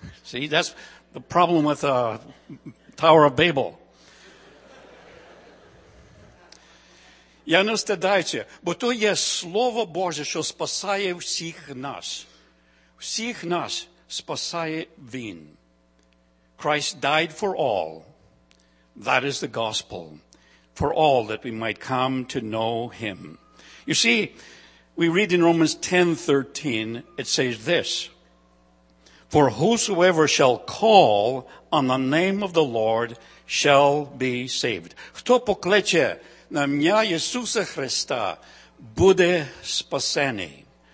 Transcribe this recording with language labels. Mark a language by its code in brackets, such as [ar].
[en] See, that's the problem with the Tower of Babel. [uk] Я не стидаюся, бо то є Слово Боже, що спасає всіх нас. Всіх нас спасає Він. [en] Christ died for all. That is the gospel. For all that we might come to know him. You see, we read in Romans 10:13, it says this. For whosoever shall call on the name of the Lord shall be saved. [uk] Хто покличе на ім'я Ісуса Христа, буде спасений.